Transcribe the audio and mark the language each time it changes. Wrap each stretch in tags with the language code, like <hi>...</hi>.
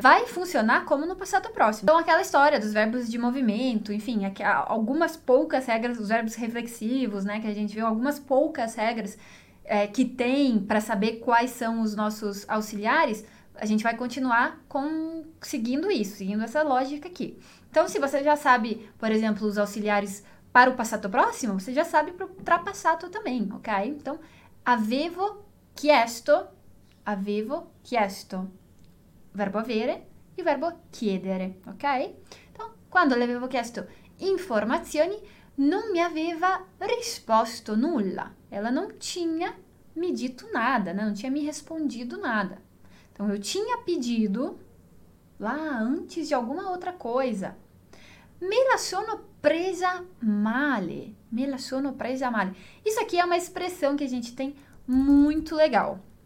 <pt>Vai funcionar como no passado próximo. Então, aquela história dos verbos de movimento, enfim, algumas poucas regras, os verbos reflexivos, né, que a gente viu, algumas poucas regras que tem para saber quais são os nossos auxiliares, a gente vai continuar seguindo isso, seguindo essa lógica aqui. Então, se você já sabe, por exemplo, os auxiliares para o passado próximo, você já sabe para o ultrapassado também, ok? Então,</pt> <it>avevo chiesto. Avevo chiesto,</it> <pt>verbo avere e verbo chiedere, ok? Então,</pt> <it>quando le avevo chiesto informazioni, non mi aveva risposto nulla.</it> <pt>Ela não tinha me dito nada, né? Não tinha me respondido nada. Então, eu tinha pedido lá antes de alguma outra coisa.</pt> <it>Me la sono presa male. Me la sono presa male.</it> <pt>Isso aqui é uma expressão que a gente tem muito legal.</pt>